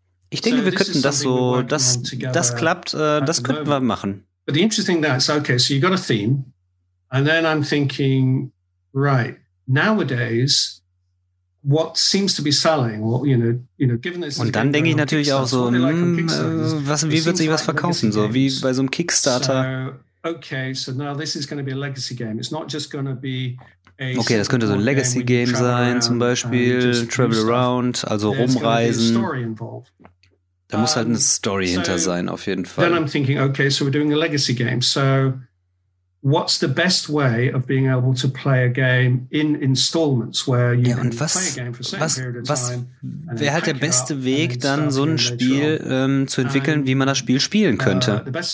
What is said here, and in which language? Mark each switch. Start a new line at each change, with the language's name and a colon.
German: Ich denke, wir könnten das so, das klappt, das könnten wir machen.
English: But the interesting thing is, okay, so you got a theme, and then I'm thinking, right, nowadays, what seems to be selling, or you know, given this.
German: Und dann denke ich natürlich auch so, wie wird sich was verkaufen, so wie bei so einem Kickstarter.
English: Okay, so now this is going to be a legacy game. It's not just going to be a.
German: Okay, das könnte so ein Legacy Game sein, zum Beispiel
English: Travel Around,
German: also rumreisen. Da muss halt eine Story hinter sein, auf jeden Fall.
English: Then I'm thinking, okay, so we're doing a legacy game. So, what's the best way of being able to play a game in installments, where you can play a game for a certain period of time?
German: Wäre halt der beste Weg, dann so ein Spiel zu entwickeln, wie man das Spiel spielen könnte?